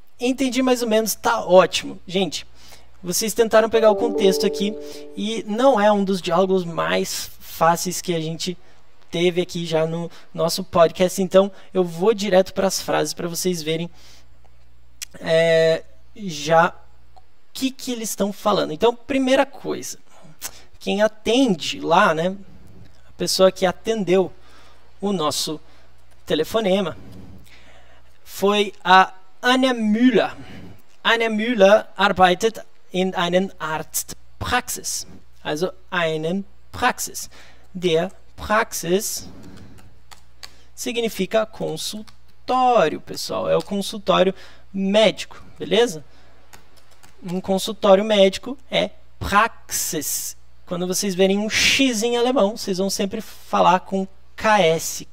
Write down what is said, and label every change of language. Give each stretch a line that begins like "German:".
Portuguese: Entendi mais ou menos, tá ótimo. Gente, vocês tentaram pegar o contexto aqui e não é um dos diálogos mais fáceis que a gente teve aqui já no nosso podcast, então eu vou direto para as frases para vocês verem já o que que eles estão falando. Então, primeira coisa, quem atende lá, né, a pessoa que atendeu o nosso telefonema foi a Anja Müller.
German: Anja Müller arbeitet in einer Arztpraxis. Also einen Praxis. Der Praxis
Portuguese: significa consultório, pessoal. É o consultório médico, beleza? Um consultório médico é Praxis. Quando vocês verem um X em alemão, vocês vão sempre falar com KS.